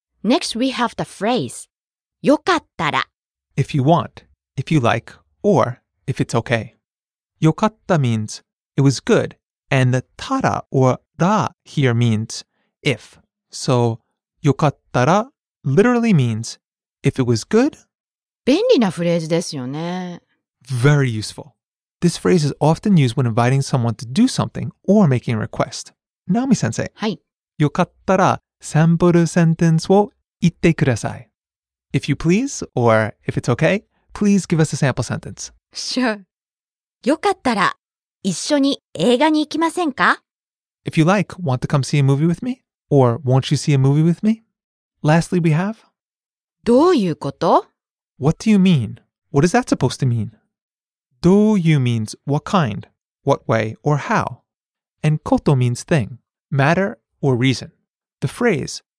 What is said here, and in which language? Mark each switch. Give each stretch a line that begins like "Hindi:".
English: Next, we have the phrase, よかったら。 If you want, if you like, or if it's okay. よかった means it was good, and the たらor ら here means if. So, よかったら literally means if it was good.
Japanese: 便利なフレーズですよね。
English: Very useful. This phrase is often used when inviting someone to do something or making a request. Naomi-sensei.
Japanese: はい。よかったらサンプルセンテンスを言ってください。
English: If you please, or if it's okay, please give us a sample sentence. Sure.
Japanese: よかったら一緒に映画に行きませんか?
English: If you like, want to come see a movie with me? Or won't you see a movie with me? Lastly, we have...
Japanese: どういうこと?
English: What do you mean? What is that supposed to mean? どういう means what kind, what way, or how. And こと means thing, matter, or reason. The phrase...